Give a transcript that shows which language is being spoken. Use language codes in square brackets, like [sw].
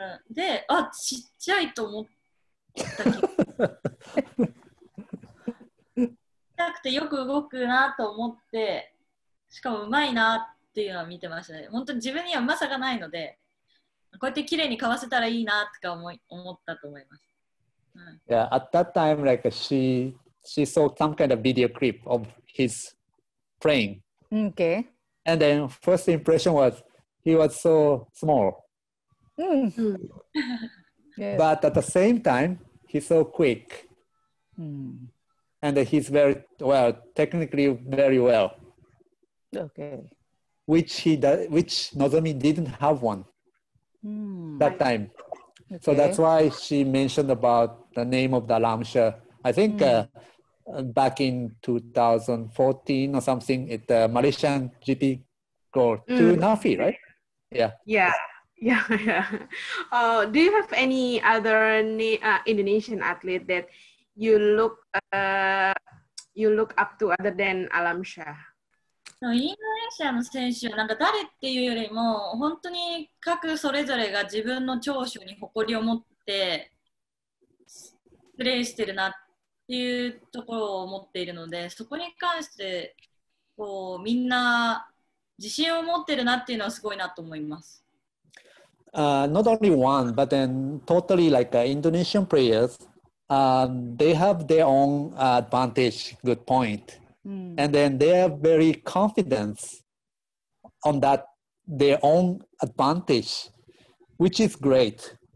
[ja] で、あ、ちっちゃいと思った痛くてよく動くなと思って、しかもうまいなっていうのは見てましたね。本当に自分にはうまさがないので、こうやって綺麗にかわせたらいいなとか思ったと思います。 [en] Yeah, at that time, like she saw some kind of video clip of his playing. Okay. And then first impression was he was so small. Yes. But at the same time, he's so quick. And he's very well, technically very well. Okay. Which Nozomi didn't have one that time. Okay. So that's why she mentioned about the name of the Alam Shah. I think back in 2014 or something, at the Malaysian GP called to Nafi, right? Yeah. Do you have any other Indonesian athlete that you look up to other than Alam Shah? [ja] インドネシアの選手はなんか誰っていうよりも本当に各それぞれが自分の長所に誇りを持ってプレーしてるなっていうところを持っているので、そこに関してこうみんな自信を持ってるなっていうのはすごいなと思います。 [en] Not only one, but then totally like Indonesian players, they have their own advantage, good point. And then they have very confident on that, their own advantage, which is great.